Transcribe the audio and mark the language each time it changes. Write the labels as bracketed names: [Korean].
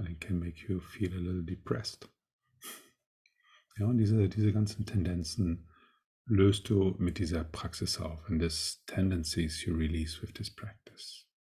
[English] It can make you feel a little depressed. [German] Ja, und diese ganzen Tendenzen löst du mit dieser Praxis auf. [English] And these tendencies you release with this practice.